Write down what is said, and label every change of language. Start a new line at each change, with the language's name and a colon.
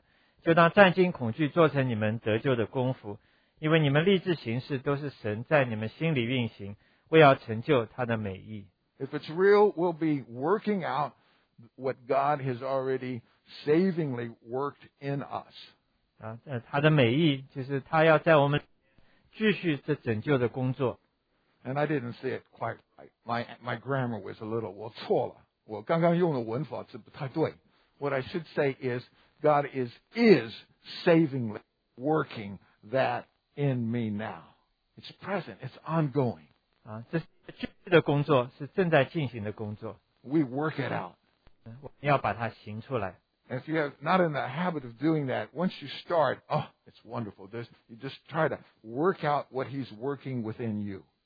Chinese: 好，这样看来，我亲爱的弟兄，既是常顺服的，不但我在你们那里，就是如今我不在你们那里，更是顺服的。就当战惊恐惧，做成你们得救的功夫。因为你们立志行事，都是神在你们心里运行，为要成就他的美意。If
English: it's real, we'll be working out what God has already savingly worked in us.
Chinese: 他的美意就是他要在我们继续这拯救的工作。And
English: I didn't say it quite right. My grammar was a little
Chinese: 我错了，我刚刚用的文法是不太对。
English: What I should say is God is savingly working that in me now. It's present. It's ongoing.
Chinese: 这是的工作，是正在进行的工作。
English: We work it out.
Chinese: 要把它行出来。
English: And if you have not in the habit of doing that, once you start, oh, it's wonderful. You just try to work out what He's working within you.